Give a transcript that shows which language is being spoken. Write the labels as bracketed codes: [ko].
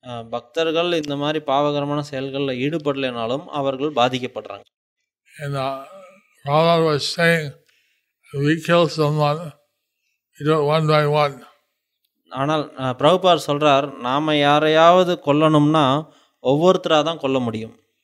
[ta] பக்தர்கள் இந்த மாதிரி பாவகரமான செயல்களில் ஈடுபடலைனாலும் அவர்கள் பாதிக்கப்படுறாங்க. [en] And Rama was saying, we kill someone, you know, one by one. [ta] ஆனால் பிரபுபார் சொல்றார், நாம யாரையாவது கொல்லணும்னா ஒவ்வொருத்தரா தான் கொல்ல முடியும்.